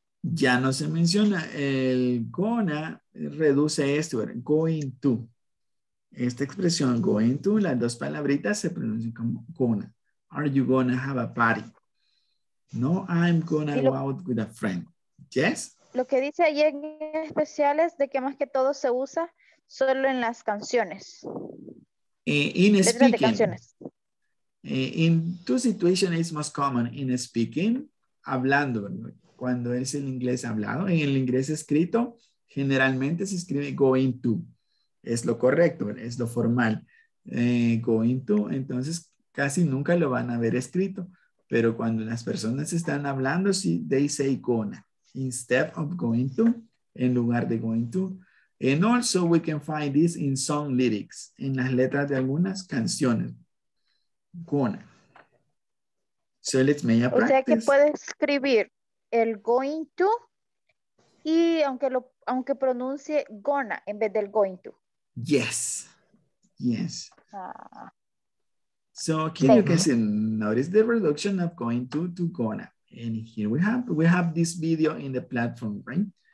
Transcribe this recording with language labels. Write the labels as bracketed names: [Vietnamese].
[Spanish] Ya no se menciona, el gonna reduce esto, going to. Esta expresión, going to, las dos palabritas se pronuncian como gonna. [English] Are you gonna have a party? No, I'm gonna go out with a friend. Yes? [Spanish] Lo que dice ahí en especial es de que más que todo se usa solo en las canciones. [English] In speaking. In two situations it's most common. In speaking, [Spanish] hablando, ¿verdad? Cuando es el inglés hablado. En el inglés escrito, generalmente se escribe going to. Es lo correcto, ¿verdad? Es lo formal. Going to, entonces casi nunca lo van a ver escrito. Pero cuando las personas están hablando, sí, [English] they say gonna. Instead of going to, [Spanish] en lugar de [English] going to. And also we can find this in song lyrics, [Spanish] en las letras de algunas canciones. [English] Gonna. So let's make a practice. [Spanish] O sea que puede escribir el going to y aunque pronuncie gonna en vez del going to. [English] Yes. Yes. So can you guys notice the reduction of going to gonna? And here we have this video in the platform, right?